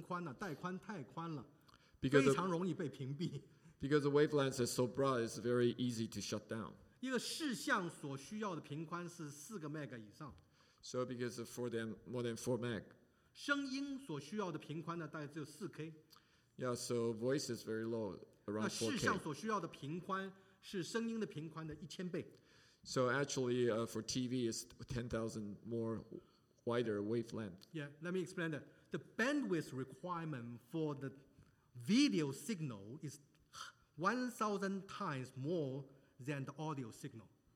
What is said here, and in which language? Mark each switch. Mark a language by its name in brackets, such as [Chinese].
[Chinese] 因为电视所要占的频宽带宽太宽了， 非常容易被屏蔽。 [English] Because the wavelength is so broad, it's very easy to shut down. [Chinese] 一个视像所需要的频宽是4个Mbps以上。 [English] So because for them more than 4 Mbps. [Chinese] 声音所需要的频宽大概只有4K。 [English] Yeah, so voice is very low, around 4K. [Chinese] 那视像所需要的频宽是声音的频宽的1000倍。 [English] So actually, for TV, it's 10,000 more wider wavelength. Yeah, let me explain that. The bandwidth requirement for the video signal is 1,000 times more than the audio signal.